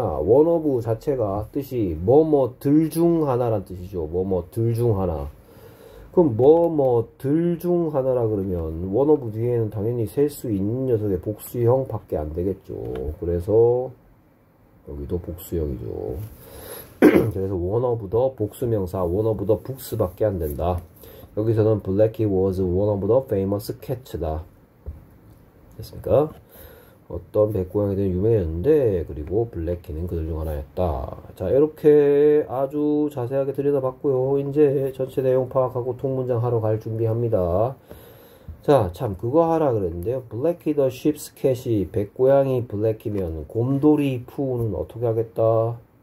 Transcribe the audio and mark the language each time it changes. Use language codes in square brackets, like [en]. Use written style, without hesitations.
[ko] One of 자체가 뜻이 뭐뭐들 중 하나란 뜻이죠. 뭐뭐들 중 하나. 그럼 뭐뭐들 중 하나라 그러면 One of 뒤에는 당연히 셀수 있는 녀석의 복수형 밖에 안 되겠죠. 그래서 여기도 복수형이죠. 그래서 One of the 복수명사, [en] One of the books [ko] 밖에 안 된다. [en] 여기서는 Blackie was one of the famous cats다. [ko] 됐습니까? 어떤 백고양이든 유명했는데, 그리고 블래키는 그들 중 하나였다. 자, 이렇게 아주 자세하게 들여다봤고요. 이제 전체 내용 파악하고 통문장 하러 갈 준비합니다. 자, 참, 그거 하라 그랬는데요. [en] Blackie the sheep's cat [ko] 이 백고양이 블래키면 곰돌이 푸우는 어떻게 하겠다?